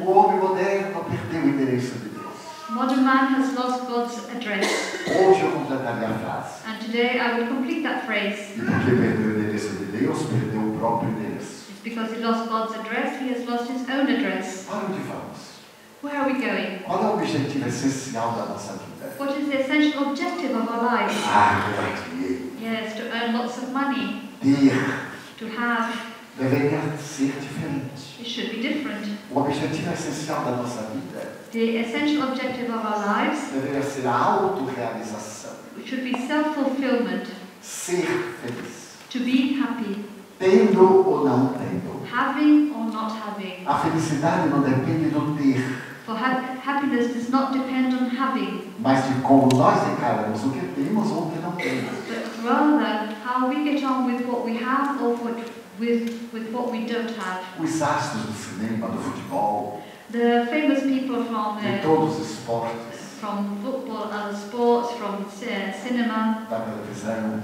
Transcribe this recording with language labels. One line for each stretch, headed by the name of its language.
Portuguese: o homem moderno perdeu o endereço de Deus.
English: Modern man has lost God's address.
Portuguese: Hoje eu completaria a frase.
English: And today I will complete that phrase.
Portuguese: E porque perdeu o endereço de Deus, perdeu o próprio endereço.
English: It's because he lost God's address, he has lost his own address.
Portuguese: Para onde vamos?
English: Where are we going?
Portuguese: Qual é o objetivo essencial da nossa vida?
English: What is the essential objective of our life? Yes, to earn lots of money.
Portuguese: Ter.
English: To have.
Portuguese: Deveria ser diferente.
English: It should be different.
Portuguese: O objetivo essencial da nossa vida.
English: The essential objective of our lives.
Portuguese: Deveria ser a autorrealização.
English: It should be self-fulfillment.
Portuguese: Ser feliz.
English: To be happy.
Portuguese: Tendo ou não tendo.
English: Having or not having.
Portuguese: A felicidade não depende do ter.
English: For happiness does not depend on having.
Portuguese: Mas de como nós encaramos o que temos ou o que não temos.
English: But rather, how we get on with what we have or what with what we don't have.
Portuguese: Os astros do cinema, do futebol.
English: The famous people from
Portuguese: todos os esportes.
English: From football, other sports, from cinema.
Portuguese: Da televisão.